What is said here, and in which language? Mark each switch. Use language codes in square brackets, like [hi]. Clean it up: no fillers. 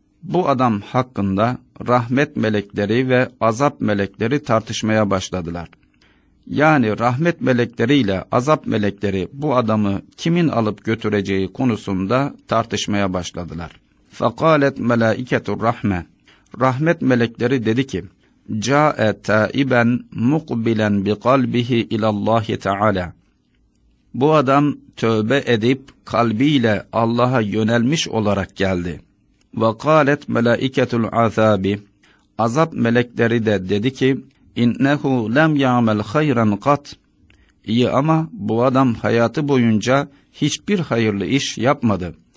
[tr] Bu adam hakkında rahmet melekleri ve azap melekleri tartışmaya başladılar. Yani rahmet melekleriyle azap melekleri bu adamı kimin alıp götüreceği konusunda tartışmaya başladılar. [ar] فَقَالَتْ مَلَائِكَةُ الرَّحْمَةِ. [tr] Rahmet melekleri dedi ki, [ar] جَاءَ تَائِبًا مُقْبِلًا بِقَلْبِهِ اِلَى اللّٰهِ تَعَالَى. [tr] Bu adam tövbe edip kalbiyle Allah'a yönelmiş olarak geldi. [ar] وَقَالَتْ مَلَائِكَةُ الْعَذَابِ. [tr] Azap melekleri de dedi ki, [ar] اِنَّهُ لَمْ يَعْمَلْ خَيْرًا قَطْ. [tr] İyi ama bu adam hayatı boyunca hiçbir hayırlı iş yapmadı.